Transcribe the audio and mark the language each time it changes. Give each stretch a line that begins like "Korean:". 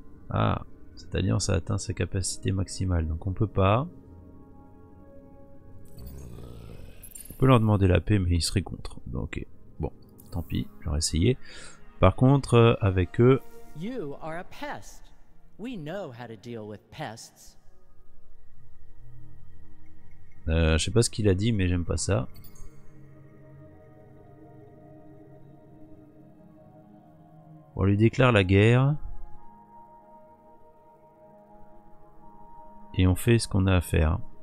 French: Ah, cette alliance a atteint sa capacité maximale, donc on peut pas. On peut leur demander la paix, mais ils seraient contre. Donc, ok, bon, tant pis, j'aurais essayé. Par contre, avec eux...
English: You are a pest. We know how to deal with pests.
French: Je sais pas ce qu'il a dit, mais j'aime pas ça. On lui déclare la guerre. Et on fait ce qu'on a à faire.